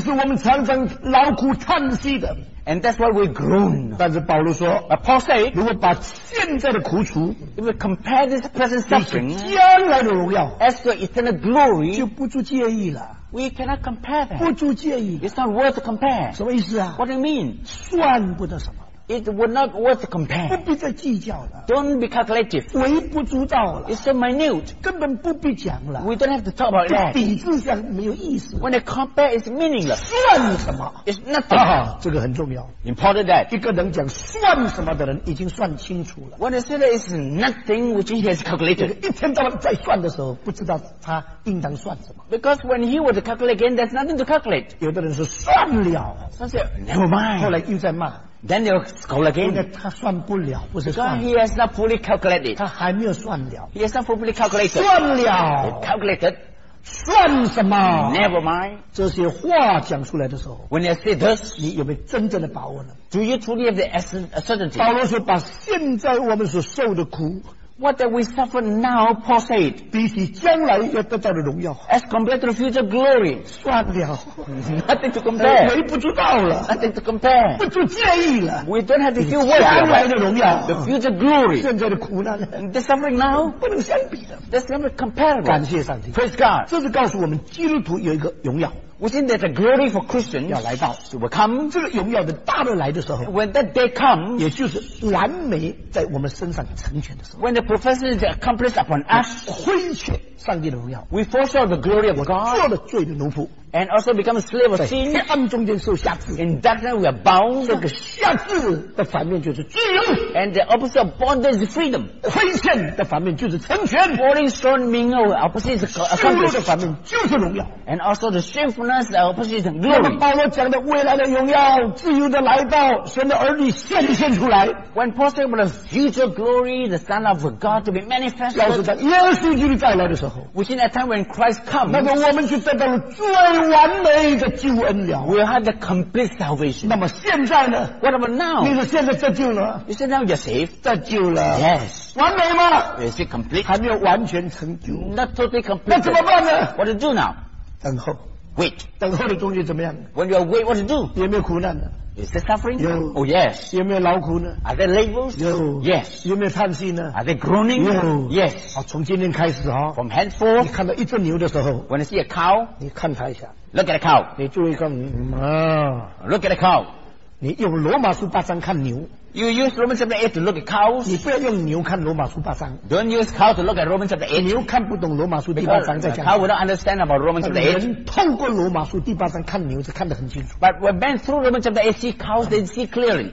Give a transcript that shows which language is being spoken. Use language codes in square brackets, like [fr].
[zh] 是我们常常劳苦叹息的 [en] And that's why we groan [zh] 但是保罗说 [en] Paul said [zh] 如果把现在的苦楚 [en] If we compare this present suffering [zh] 将来的荣耀 [en] As the eternal glory [zh] 就不足介意了 [en] We cannot compare that [zh] 不足介意 [en] It's not worth to compare [zh] 什么意思啊 [en] What do you mean [zh] 算不得什么 [en] It would not worth comparing. [zh] 不必再计较了。 [en] Don't be calculative. [zh] 微不足道了。 [en] It's so minute. [zh] 根本不必讲了。 [en] We don't have to talk about that. [zh] 比字上没有意思。 [en] When they compare, it's meaningless. [zh] 算什么 [en] ？It's nothing. [zh] 啊，这个很重要。 [en] Important that. [zh] 一个能讲算什么的人，已经算清楚了。 [en] When they say that it's nothing, which he has calculated. [zh] 一天到晚在算的时候，不知道他应当算什么。 [en] Because when he was calculating again, there's nothing to calculate. [zh] 有的人是算了。 [en] Some say never mind. [zh] 后来又在骂。 [en] Then they'll scold again. [zh] 他算不了，不是算。 [en] Because he has not fully calculated. [zh] 他还没有算了。 [en] He has not fully calculated. [zh] 算了。 [en] Calculated. [zh] 算什么 [en] ？Never mind. [zh] 这些话讲出来的时候 [en] ，When you say this， [zh] 你有没有真正的把握呢 [en] ？Do you truly have the certainty？ [zh] 保罗说：“把现在我们所受的苦 [en] ，What that we suffer now, Paul said， [zh] 比起将来要得到的荣耀 [en] ，As compared to the future glory， [zh] 算了 [en] ，Nothing to compare， [zh] 微不足道了 [en] ，Nothing to compare， [zh] 不足介意了 [en] ，We don't have to feel worth [zh] 将来的荣耀 [en] ，The future glory， [zh] 现在的苦难 [en] ，The suffering now， [zh] 不能相比的。” [en] That's never comparable. [zh] 感谢上帝。 [en] Praise God. [zh] 这是告诉我们基督徒有一个荣耀。 [en] Which means that the glory for Christians [zh] 要来到 [en] to become. [zh] 这个荣耀的大日来的时候。 [en] When that day comes. [zh] 也就是完美在我们身上成全的时候。 [en] When the perfection is accomplished upon us. [zh] 亏欠上帝的荣耀。 [en] We forsake the glory of God. [zh] 做了罪的奴仆。 [en] And also become a slave of sin. [zh] 在黑暗中间受辖制。 [en] In darkness we are bound. [zh] 这个辖制的反面就是自由。 [en] And the opposite of bondage is freedom. [zh] 亏欠的反面就是成全。 [en] Falling short means opposite is accomplished. [zh] 羞辱的反面就是荣耀。 [en] And also the shamefulness is opposite is glory. [zh] 那么保罗讲的未来的荣耀，自由的来到，神的儿女显现出来。 [en] When possible the future glory, the Son of God to be manifested. [zh] 告诉他耶稣基督再来的时候。 [en] Within that time when Christ comes. [zh] 那么我们就得到了最完美的救恩了。 [en] We have the complete salvation. [zh] 那么现在呢 [en] ？What about now? [zh] 你说现在得救了 [en] ？You said now you're safe. [zh] 得救了 [en] ？Yes. [zh] 完美吗 [en] ？Is it complete? [zh] 还没有完全成就。 [en] Not totally complete. [zh] 那怎么办呢 [en] ？What to do now? [zh] 等候。 [en] Wait. [zh] 等候的终究怎么样 [en] ？When you wait, what to do? [zh] 有没有苦难呢 [en] ？Is there suffering? [zh] 有。 [en] Oh yes. [zh] 有没有劳苦呢 [en] ？Are there labors? [zh] 有。 [en] Yes. [zh] 有没有叹息呢 [en] ？Are there groaning? [zh] 有。 [en] Yes. [zh] 好，从今天开始哈。 [en] From henceforth. [zh] 你看到一只牛的时候。 [en] When I see a cow. [zh] 你看它一下。 [en] Look at the cow. [zh] 你注意看，啊。 [en] Look at the cow. [zh] 你用罗马书八章看牛。 [en] You use Romans chapter 8 to look at cows. [zh] 你不要用牛看罗马书八章。 [en] Don't use cow to look at Romans chapter 8. [zh] 牛看不懂罗马书第八章在讲。 [en] Cow will not understand about Romans chapter 8. [zh] 人透过罗马书第八章看牛是看得很清楚。 [en] But when men through Romans chapter 8 see cows, they see clearly.